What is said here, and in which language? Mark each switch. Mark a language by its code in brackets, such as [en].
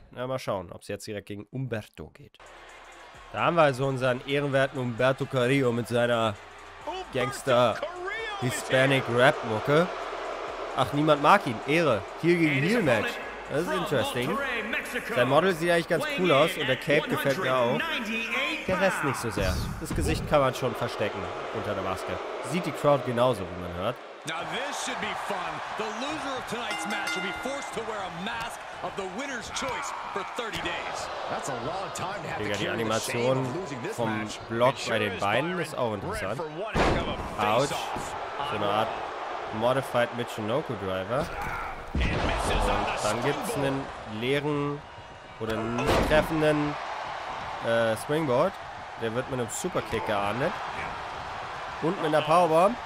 [de] Na, mal schauen, ob es jetzt direkt gegen Umberto geht. Da haben wir also unseren ehrenwerten Umberto Carrillo mit seiner Gangster-Hispanic-Rap-Mucke. Ach, niemand mag ihn. Ehre. Heel gegen Heel Match. Das ist interesting. Sein Model sieht eigentlich ganz cool aus und der Cape gefällt mir auch. Der Rest nicht so sehr. Das Gesicht kann man schon verstecken unter der Maske. Sieht die Crowd genauso, wie man hört. [en] Now this should be fun. The loser of tonight's match will be forced to wear a mask of the winner's choice for 30 days. That's a long time to have to carry the shame of losing this match. [de] Vom Block bei den Beinen ist auch interessant. Ouch. So eine Art modified Michinoku Driver. Und dann gibt es einen leeren oder nicht treffenden Springboard. Der wird mit einem Superkick geahndet. Und mit einer Powerbomb.